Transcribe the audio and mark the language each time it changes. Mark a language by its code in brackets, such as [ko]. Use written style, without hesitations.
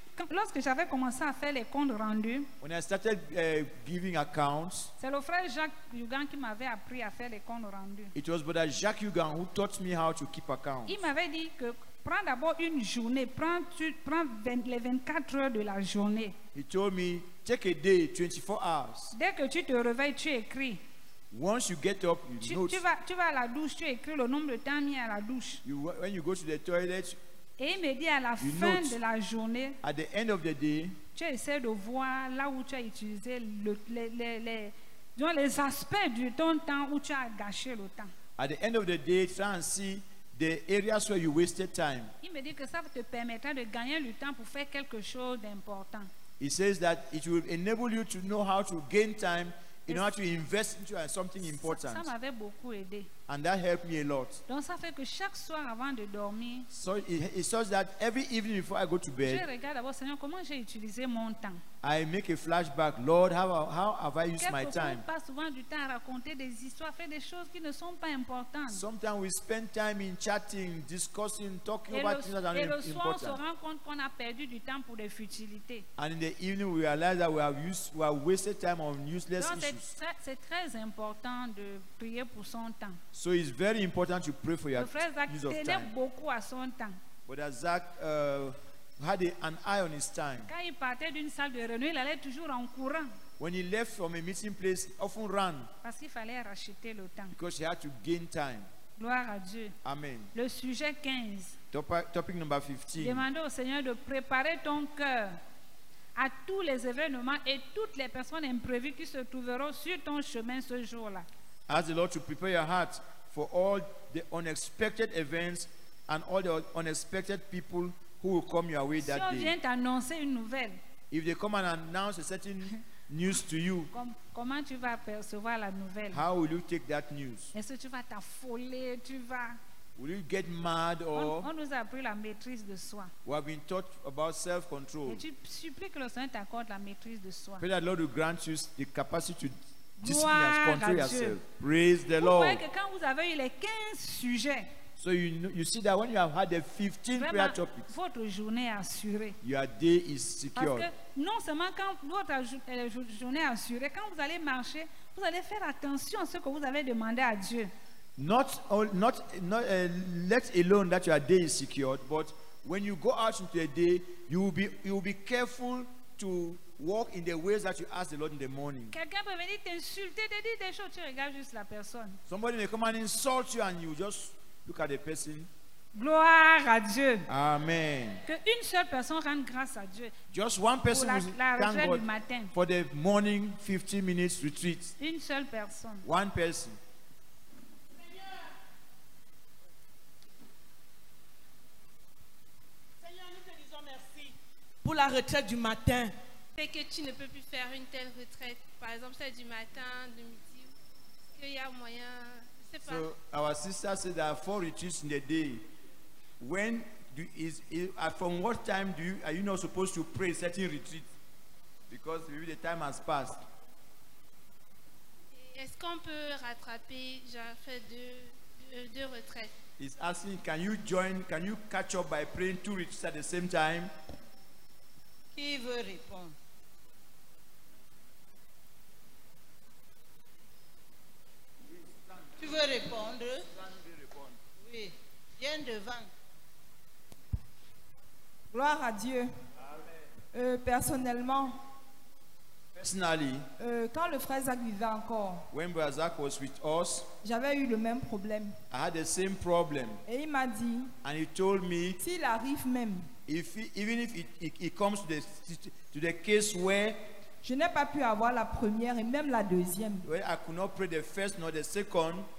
[fr] Lorsque j'avais commencé à faire les comptes rendus, [en] when I started giving accounts, [fr] c'est le frère Jacques Hugan qui m'avait appris à faire les comptes rendus. [en] It was Brother Jacques Hugan who taught me how to keep accounts. [fr] Il m'avait dit que prends d'abord une journée, prends les 24 heures de la journée. [en] He told me take a day, 24 hours. [fr] Dès que tu te réveilles, tu écris. [en] Once you get up, you [fr] tu, [en] note. [fr] Tu vas à la douche, tu écris le nombre de temps mis à la douche. [en] When you go to the toilet, [fr] et il me dit à la fin [en] note. [fr] De la journée, [en] at the end of the day, [fr] tu essaies de voir là où tu as utilisé les aspects de ton temps où tu as gâché le temps. [en] At the end of the day, try and see the areas where you wasted time. [fr] Il me dit que ça te permettra de gagner du temps pour faire quelque chose d'important. [en] He says that it will enable you to know how to gain time. You know how to invest into something important. [fr] Ça m'avait beaucoup aidé. [en] And that helped me a lot. [fr] Donc ça fait que chaque soir avant de dormir, [en] so it's such that every evening before I go to bed, [fr] je regarde d'abord, Seigneur, comment j'ai utilisé mon temps. [en] I make a flashback, Lord, how have I used my time? [fr] On passe souvent du temps à raconter des histoires, faire des choses qui ne sont pas importantes. [en] Sometimes we spend time in chatting, discussing, talking about things that are important. [fr] Et le soir, on se rend compte qu'on a perdu du temps pour des futilités. [en] And in the evening, we realize that we have wasted time on useless [fr] Donc, [en] issues. [fr] C'est très important de prier pour son temps. [en] So it's very important to pray for your use of time. [fr] Le frère Zach tenait beaucoup à son temps. [en] But as Zach had an eye on his time. [fr] Quand il partait d'une salle de réunion, il allait toujours en courant. [en] When he left from a meeting place, often ran. [fr] Parce qu'il fallait racheter le temps. [en] Because he had to gain time. [fr] Gloire à Dieu. [en] Amen. [fr] Le sujet 15. [en] Topic number 15. [fr] Demandez au Seigneur de préparer ton cœur à tous les événements et toutes les personnes imprévues qui se trouveront sur ton chemin ce jour-là. [en] Ask the Lord to prepare your heart for all the unexpected events and all the unexpected people who will come your way that day. [fr] Si on vient t'annoncer une nouvelle, [en] if they come and announce a certain news to you, [fr] comment tu vas percevoir la nouvelle? [en] How will you take that news? [fr] Est-ce que tu vas t'affoler, tu vas... [en] Will you get mad or... [fr] On nous a appris la maîtrise de soi. [en] We have been taught about self-control. [fr] Et tu supplies que le Seigneur t'accorde la maîtrise de soi. [en] Pray that the Lord will grant you the capacity to discipline, control yourself. Praise the Lord. [fr] Vous voyez que quand vous avez eu les 15 sujets, [en] so you see that when you have had the 15 prayer topics, [fr] votre journée est assurée. [en] Your day is secure. [fr] Parce que non seulement quand votre journée est assurée, quand vous allez marcher, vous allez faire attention à ce que vous avez demandé à Dieu. [en] Not let alone that your day is secured, but when you go out into the day, you will be careful to walk in the ways that you ask the Lord in the morning. [fr] Quelqu'un peut venir t'insulter, te dire des choses, tu regardes juste la personne. [en] Somebody may come and insult you, and you just look at the person. [fr] Gloire à Dieu. [en] Amen. [fr] Que une seule personne rende grâce à Dieu. [en] Just one person [fr] pour la retraite du matin. [en] For the morning 15 minutes retreat. [fr] Une seule personne. [en] One person. [fr] Pour la retraite du matin. C'est que tu ne peux plus faire une telle retraite. Par exemple, celle du matin, du midi. Est-ce qu'il y a moyen? Je ne sais pas. [en] So, our sister said there are four retreats in the day. When do from what time do you, are you not supposed to pray certain retreats? Because maybe the time has passed. [fr] Et est-ce qu'on peut rattraper, genre, faire deux retraites? [en] He's asking, can you catch up by praying two retreats at the same time? [fr] Qui veut répondre? Oui, tu veux répondre? Oui, viens devant. Gloire à Dieu. [en] Amen. [fr] Personnellement, [en] personally, [fr] quand le frère Zach vivait encore, [en] when Brother Zach was with us, [fr] j'avais eu le même problème. [en] I had the same problem. [fr] Et il m'a dit, [en] and he told me, [fr] s'il arrive même, [en] even if it comes to the case where [fr] je n'ai pas pu avoir la première et même la deuxième, [en] where I could not pray the first nor the second,